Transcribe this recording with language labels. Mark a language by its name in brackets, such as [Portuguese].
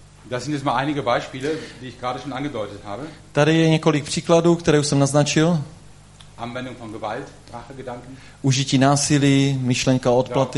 [German] Das sind jetzt mal einige Beispiele, die ich gerade schon angedeutet habe. [Czech] Tady je několik příkladů, které už jsem naznačil. [German] Anwendung von Gewalt, Rachegedanken. [Czech] Užití násilí, myšlenka odplaty.